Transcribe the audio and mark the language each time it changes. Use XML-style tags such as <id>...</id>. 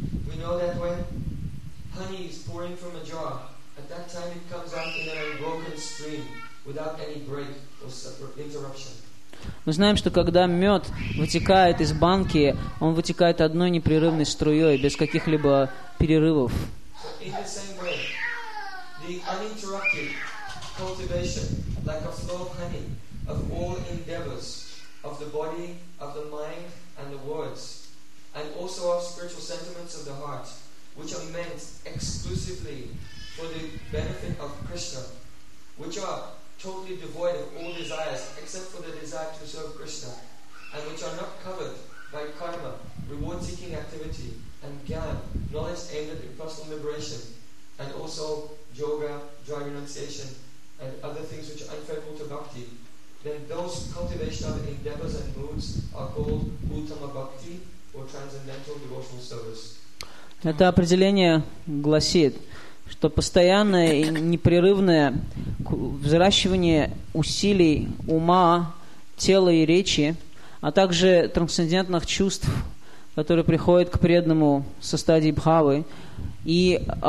<en>We know that when honey is pouring from a jar, at that time it comes out in an unbroken stream without any break or interruption.</en> <ru>Мы знаем, что когда мед вытекает из банки, он вытекает одной непрерывной струей, без каких-либо перерывов.</ru> <en>So in the same way, the uninterrupted cultivation, like a flow of honey, of all endeavors, of the body, of the mind, and the words, and also of spiritual sentiments of the heart, which are meant exclusively for the benefit of Krishna, which are totally devoid of all desires except for the desire to serve Krishna, and which are not covered by karma, reward-seeking activity, and jnana, knowledge aimed at impersonal liberation, and also yoga, dry renunciation, and other things which are unfavorable to bhakti, then those cultivation of endeavors and moods are called uttama bhakti or transcendental devotional service.</en> <ru>Это определение гласит, что постоянное и непрерывное взращивание усилий ума, тела и речи, а также трансцендентных чувств, которые приходят к преданному со стадии бхавы, и</ru>